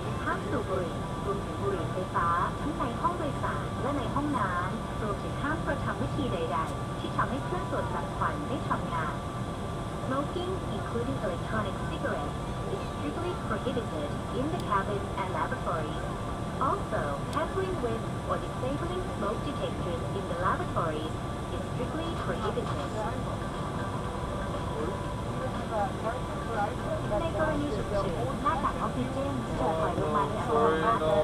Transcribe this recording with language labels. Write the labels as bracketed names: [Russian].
[Thai] ห้ามสูบบุหรี่รวมถึงบุหรี่ไฟฟ้าทั้งในห้องโดยสารและในห้องน้ำรวมถึงห้ามกระทำวิธีใดๆที่ทำให้เครื่องตรวจจับควันไม่ทำงาน [English] Smoking, including electronic cigarettes, is strictly prohibited in the cabin and laboratory. Also, tampering with or disabling smoke detectors in the laboratory is strictly prohibited. [Thai] ในกรณีฉุกเฉินหน้ากากออกซิเจนจะปล่อยลงมาอย่างไรบ้าง